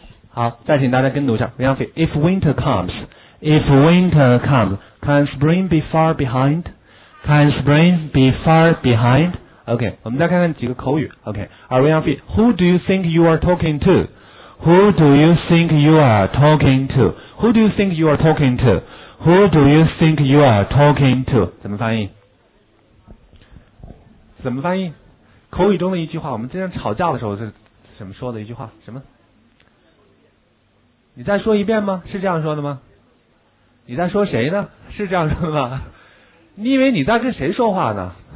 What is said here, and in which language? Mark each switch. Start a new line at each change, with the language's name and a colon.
Chinese: 好，再请大家跟读一下。
English: 杨飞 ，If winter comes, if winter comes, can spring be far behind? Can spring be far behind?
Chinese: OK， 我们再看看几个口语。
English: OK， 而杨飞 ，Who do you think you are talking to? Who do you think you are talking to? Who do you think you are talking to? Who do you think you are talking to?
Chinese: 怎么翻译？怎么翻译？口语中的一句话，我们经常吵架的时候是怎么说的一句话？什么？你再说一遍吗？是这样说的吗？你在说谁呢？是这样说的吗？你以为你在跟谁说话呢？